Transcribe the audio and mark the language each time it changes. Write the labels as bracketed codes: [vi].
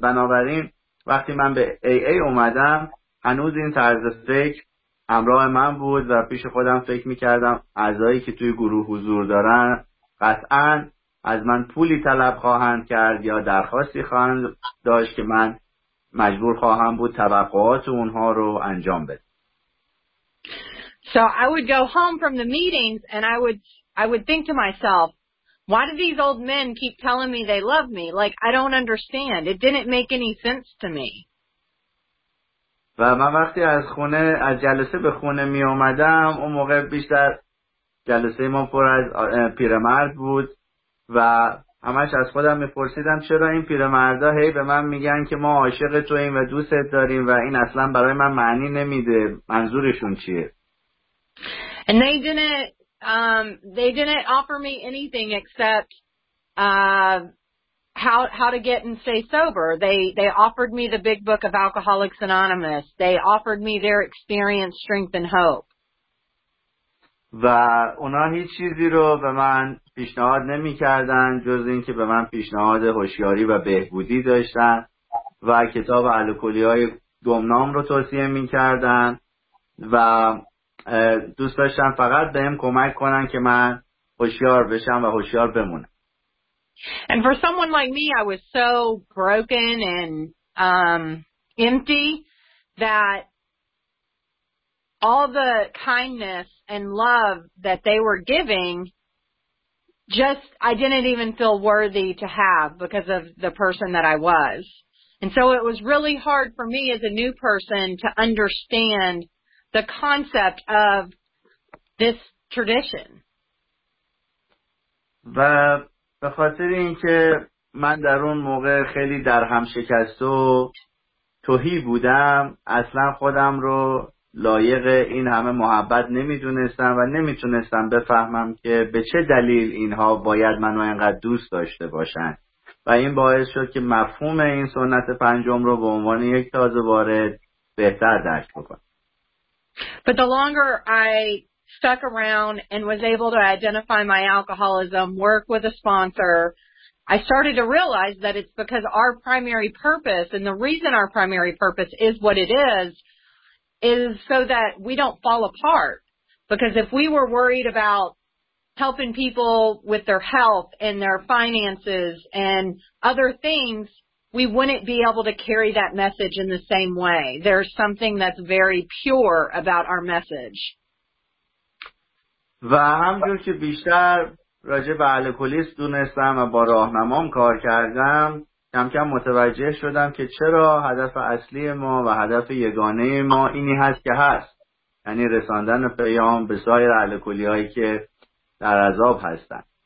[fa] بنابراین وقتی من به AA اومدم هنوز این طرز فکر همراه من بود و پیش خودم فکر میکردم اعضایی که توی گروه حضور دارن قطعا از من پولی طلب خواهند کرد یا درخواستی خواهند داشت که من مجبور خواهم بود توقعات اونها رو انجام بده. [en] So I would go home from the meetings and I would think to myself, why do these old men keep telling me they love me? Like, I don't understand. It didn't make any sense to me. [fa] و من وقتی از خونه از جلسه به خونه می اومدم اون موقع بیشتر جلسه ما پر از پیرمرد بود و همش از خودم میپرسیدم چرا این پیرمردا هی به من میگن که ما عاشق توییم و دوستت داریم و این اصلا برای من معنی نمیده، منظورشون چیه؟ [en] And they didn't offer me anything except how to get and stay sober. They offered me the big book of Alcoholics Anonymous. They offered me their experience, strength and hope. [fa] و اونا هیچ چیزی رو به من پیشنهاد نمی کردن جز این که به من پیشنهاد هوشیاری و بهبودی داشتن و کتاب الکلی های گمنام رو توصیه می کردن و دوست داشتن فقط بهم کمک کنن که من هوشیار بشم و هوشیار بمونم. [en] And for someone like me, I was so broken and empty that all the kindness and love that they were giving, just I didn't even feel worthy to have because of the person that I was. And so it was really hard for me as a new person to understand the concept of this tradition. [fa] و به خاطر اینکه من در اون موقع خیلی در هم شکست و توهی بودم، اصلا خودم رو لایق این همه محبت نمیدونستم و نمیتونستم بفهمم که به چه دلیل اینها باید منو اینقدر دوست داشته باشن و این باعث شد که مفهوم این سنت پنجم رو به عنوان یک تازه وارد بهتر درک بکنم. [en] But the longer I stuck around and was able to identify my alcoholism, work with a sponsor, I started to realize that it's because our primary purpose and the reason our primary purpose is what it is so that we don't fall apart. Because if we were worried about helping people with their health and their finances and other things, we wouldn't be able to carry that message in the same way. There's something that's very pure about our message. [fa] و همجور که بیشتر راجع به الکلیسم دونستم و با راهنمام کار کردم، کم کم متوجه شدم که چرا هدف اصلی ما و هدف یگانه ما اینی هست که هست، یعنی رساندن پیام به سایر الکلی هایی که در عذاب هستن